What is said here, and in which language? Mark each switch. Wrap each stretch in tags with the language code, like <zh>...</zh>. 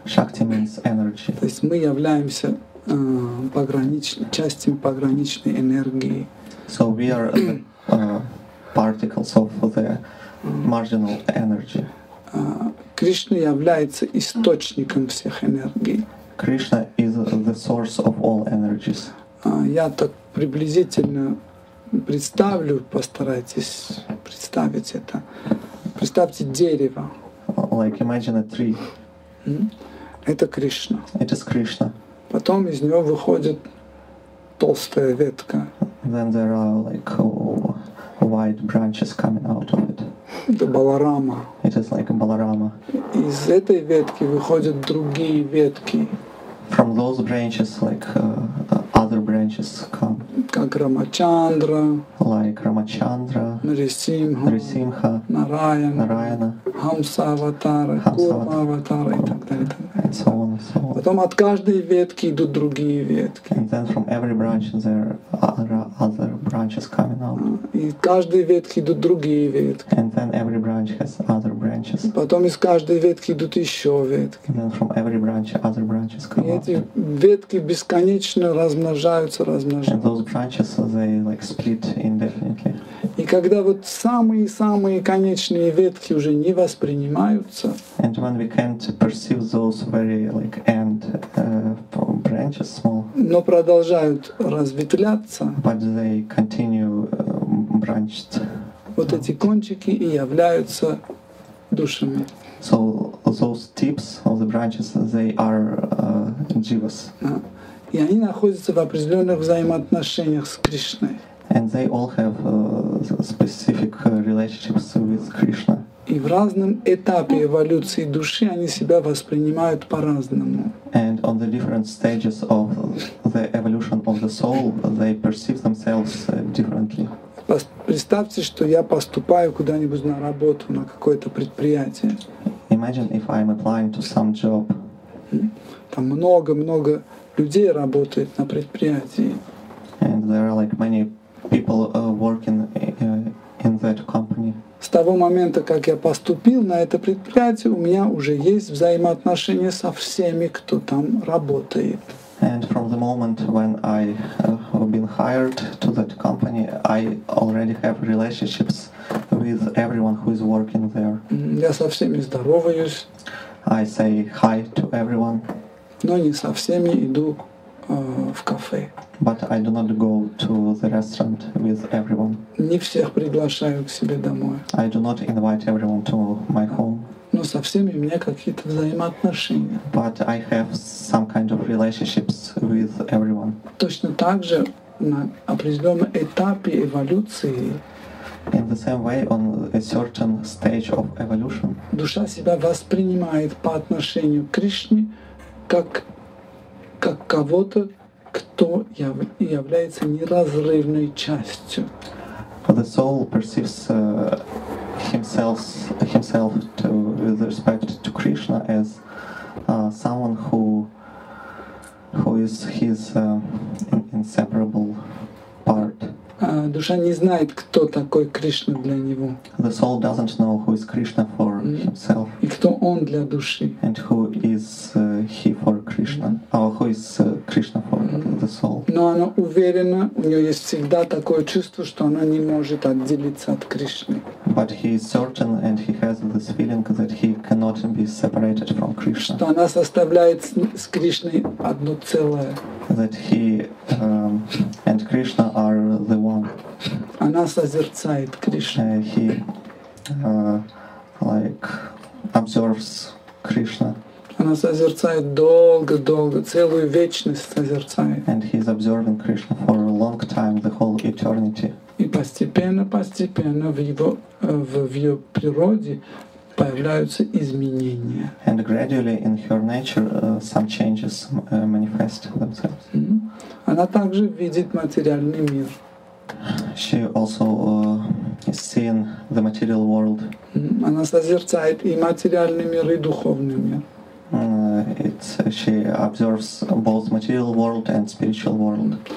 <en>Shakti means energy.</en> <ru>То есть мы являемся пограничной частью пограничной энергии.</ru> <en>So we are the, particles of the marginal energy.</en> <ru>Кришна является источником всех энергий.</ru> <en>Krishna is the source of all energies.</en> <ru>Я так приблизительно представлю, постарайтесь представить это. Представьте дерево.</ru> <en>Like imagine a tree.</en> <ru>Это Кришна.</ru> <en>It is Krishna.</en> <ru>Потом из него выходит толстая ветка.</ru> <en>Then there are like wide branches coming out of it.</en> <ru>Это Баларама.</ru> <en>It is like a Баларама.</en> <ru>Из этой ветки выходят другие ветки.</ru> <en>From those branches, like other branches come.</en> <ru>Как Рамачандра.</ru> <en>Like Рамачандра.</en> <ru>Нарисимха. Нарисимха. Нараяна. Нараяна. Хамса аватара. Курма аватара и так далее.</ru> <en>And so on and so on.</en> <ru>Потом от каждой ветки идут другие ветки.</ru> <en>And then from every branch there are other branches coming out.</en> <ru>И каждой ветки идут другие ветки.</ru> <en>And then every branch has other branches.</en> <ru>Потом из каждой ветки идут еще ветки.</ru> <en>And then from every branch other branches come out.</en> <ru>И эти ветки бесконечно размножаются, размножаются.</ru> <en>And those branches, they like split indefinitely.</en> <ru>И когда вот самые-самые конечные ветки уже не воспринимаются,</ru> <en>and when we can't perceive those very like end branches small,</en> <ru>но продолжают разветвляться,</ru> <en>but they continue branched,</en> <ru>вот эти кончики и являются душами.</ru> <en>So those tips of the branches, they are jivas.</en> <ru>И они находятся в определенных взаимоотношениях с Кришной.</ru> <en>And they all have specific relationships with Krishna.</en> <ru>И в разном этапе эволюции души они себя воспринимают по-разному.</ru> <en>And on the different stages of the evolution of the soul, they perceive themselves differently.</en> <ru>Представьте, что я поступаю куда-нибудь на работу, на какое-то предприятие.</ru> <en>Imagine if I'm applying to some job.</en> <ru>Там много-много людей работают на предприятии.</ru> <en>And there are like many people working in that company.</en> <ru>С того момента, как я поступил на это предприятие, у меня уже есть взаимоотношения со всеми, кто там работает.</ru> <en>And from the moment when I have been hired to that company, I already have relationships with everyone who is working there.</en> <ru>Я со всеми здороваюсь.</ru> <en>I say hi to everyone.</en> <ru>Но не со всеми иду в кафе.</ru> <en>But I do not go to the restaurant with everyone.</en> <ru>Не всех приглашаю к себе домой.</ru> <en>I do not invite everyone to my home.</en> <ru>Но со всеми у меня какие-то взаимоотношения.</ru> <en>But I have some kind of relationships with everyone.</en> <ru>Точно так же на определенном этапе эволюции.</ru> <en>In the same way, on a certain stage of evolution.</en> <ru>Душа себя воспринимает по отношению к Кришне как кого-то, кто является неразрывной частью.</ru> <en>The soul perceives himself to, with respect to Krishna as someone who is his inseparable part.</en> <ru>Душа не знает, кто такой Кришна для него.</ru> <en>The soul doesn't know who is Krishna for himself.</en> <ru>И кто он для души.</ru> <en>And who is he for Krishna? Or who is Krishna for the soul?</en> <ru>Но она уверена, у нее есть всегда такое чувство, что она не может отделиться от Кришны.</ru> <en>But he is certain and he has this feeling that he cannot be separated from Krishna.</en> <ru>Что она составляет с Кришной одно целое.</ru> <en>that he and Krishna are the one.</en> <ru>Она созерцает Кришну.</ru> <en>He like observes Krishna.</en> <ru>Она созерцает долго-долго, целую вечность созерцает.</ru> <en>And he is observing Krishna for a long time, the whole eternity.</en> <ru>И постепенно-постепенно в ее природе появляются изменения.</ru> <en>And gradually in her nature some changes manifest themselves. Mm-hmm.</en> <ru>Она также видит материальный мир.</ru> <en>She also is seeing the material world. Mm-hmm.</en> <ru>Она созерцает и материальный мир, и духовный мир.</ru> <en>She observes both material world and spiritual world.</en>